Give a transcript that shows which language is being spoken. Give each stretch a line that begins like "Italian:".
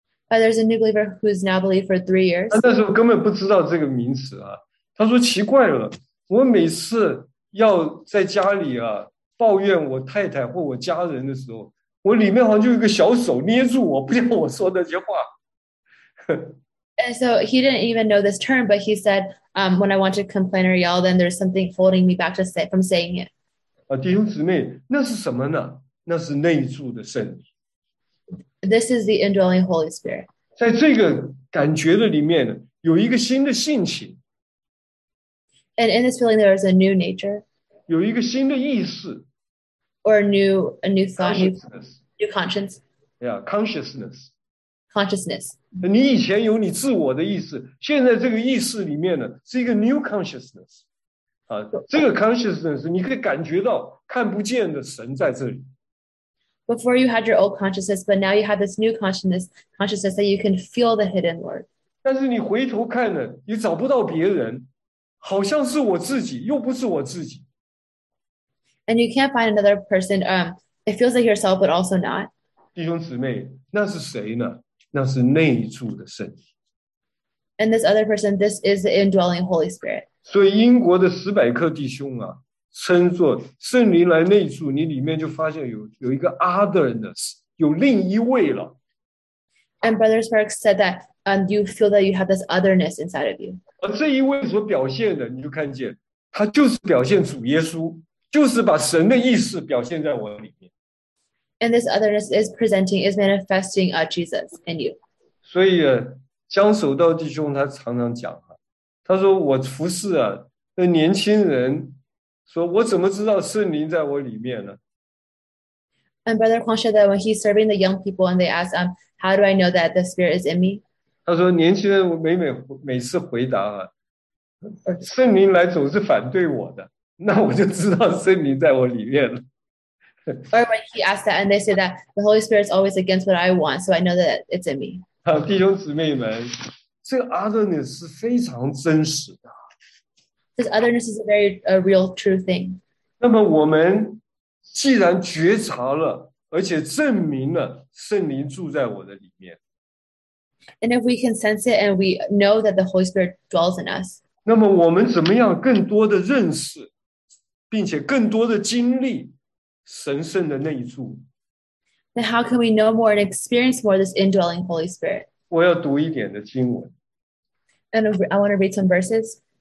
English: There's a new believer who's now believed for 3 years.
Chinese: 那时候根本不知道这个名词啊。他说奇怪了，我每次要在家里啊抱怨我太太或我家人的时候。我里面好像就有一个小手捏住我，不让我说那些话。
English: And so he didn't even know this term, but he said, when I want to complain or yell, then there's something holding me back from saying it.
Chinese: 啊，弟兄姊妹，那是什么呢？那是内住的圣灵。
English: This is the indwelling Holy Spirit.
Chinese: 在这个感觉的里面，有一个新的性情。
English: And in this feeling, there is a new nature.
Chinese: 有一个新的意识。
English: Or a new thought, new conscience. Yeah, consciousness. Consciousness.
Chinese: 你以前有你自我的意识，现在这个意识里面呢，是一个
English: new consciousness.
Chinese: 啊，这个 consciousness 你可以感觉到看不见的神在这里。
English: Before you had your old consciousness, but now you have this new consciousness that you can feel the hidden Lord.
Chinese: 但是你回头看呢，你找不到别人，好像是我自己，又不是我自己。
English: And you can't find another person. It feels like yourself, but also not.
Chinese: 弟兄姊妹，那是谁呢？那是内住的圣灵。
English: And this other person, this is the indwelling Holy Spirit.
Chinese: 所以英国的斯百克弟兄啊，称作圣灵来内住，你里面就发现有一个 otherness， 有另一位了。
English: And Brother Sparks said that you feel that you have this otherness inside of you.
Chinese: 而这一位所表现的，你就看见，他就是表现主耶稣。就是把神的意识表现在我里面。
English: And this otherness is manifesting Jesus in you.
Chinese: 所以江守道弟兄他常常讲，他说我服侍啊，那年轻人说我怎么知道圣灵在我里面呢？
English: And Brother Huang said that when he's serving the young people and they ask him, how do I know that the Spirit is in me?
Chinese: 他说年轻人每次回答啊，圣灵来总是反对我的，那我就知道圣灵在我里面了。
English: Or when he asked that and they say that the Holy Spirit is always against what I want, so I know that it's in me.
Chinese: 好，弟兄姊妹们，这个 otherness 是非常真实的。
English: This otherness is a very a real true thing.
Chinese: 那么我们既然觉察了，而且证明了圣灵住在我的里面。
English: And if we can sense it and we know that the Holy Spirit dwells in us.
Chinese: 那么我们怎么样更多的认识，并且更多的经历神圣的内住？
English: Then how can we know more and experience more this indwelling Holy Spirit?
Chinese: 我要读一点的经文。
English: And I want to read some verses.